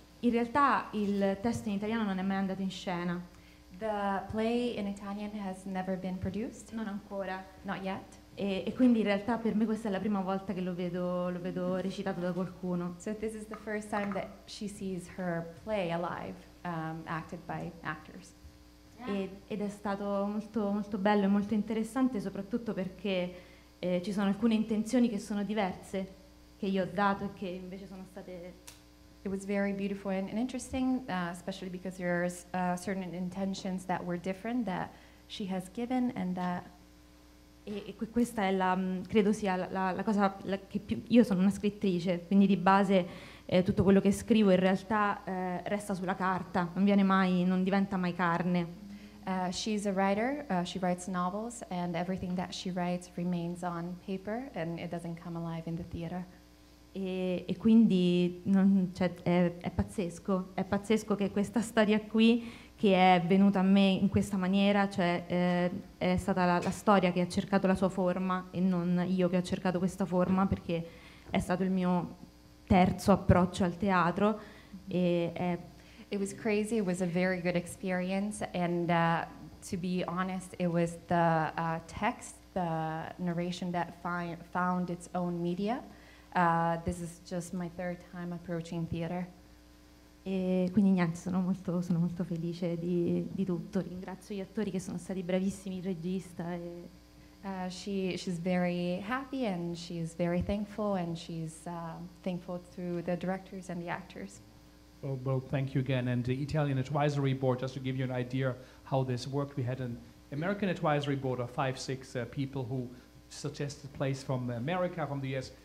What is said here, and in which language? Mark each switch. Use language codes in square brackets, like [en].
[it] In realtà, il testo in italiano non è mai andato in scena. [en] The play in Italian has never been produced. [it] Non ancora. [en] Not yet. [it] E quindi in realtà per me questa è la prima volta che lo vedo recitato da qualcuno. [en] So this is the first time that she sees her play alive, acted by actors. Yeah. [it] Ed è stato molto molto bello e molto interessante, soprattutto perché ci sono alcune intenzioni che sono diverse che io ho dato e che invece sono state. [en] It was very beautiful and interesting, especially because there are certain intentions that were different that she has given, and that. [it] E questa è la credo sia la cosa la, che più io sono una scrittrice, quindi di base tutto quello che scrivo in realtà resta sulla carta, non diventa mai carne. [en] She's a writer. She writes novels, and everything that she writes remains on paper, and it doesn't come alive in the theater. [it] E quindi non, cioè, è pazzesco che questa storia qui che è venuta a me in questa maniera, cioè è stata la storia che ha cercato la sua forma e non io che ho cercato questa forma, perché è stato il mio terzo approccio al teatro. E [en] it was crazy, it was a very good experience, and to be honest, it was the text, the narration that found its own media. This is just my third time approaching theater. [it] E quindi niente, sono molto felice di tutto. Ringrazio gli attori che sono stati bravissimi, il regista. E [en] she's very happy and she is very thankful, and she's thankful to the directors and the actors. Well, thank you again. And the Italian Advisory Board, just to give you an idea how this worked, we had an American Advisory Board of 5-6 people who suggested plays from America, from the US.